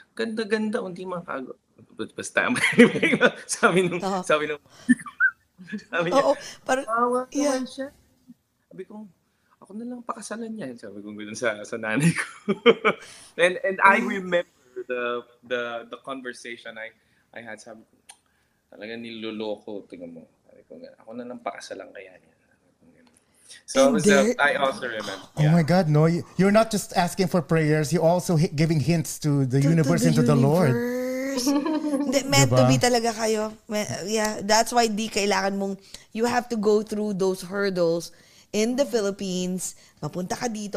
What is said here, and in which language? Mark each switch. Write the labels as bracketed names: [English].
[Filipino] Ganda-ganda, hindi makago. Basta, sabi nung, sabi niya, kawawa naman siya. Sabi ko, ako na lang pakasalan niya. Sabi ko, ganoon sa nanay ko. [English] and I remember the conversation I had. [Filipino] Sabi ko, talaga niloloko, tingnan mo. Sabi ko, ako na lang pakasalan kaya niya. [English] So I also remember. Yeah. Oh my God, no. You're not just asking for prayers. You're also giving hints to the universe and to the Lord. [Filipino] De, meant diba? To be talaga kayo. [English] Yeah, that's why [Filipino] di kailangan mong, [English] you have to go through those hurdles in the Philippines. [Filipino] Mapunta ka dito.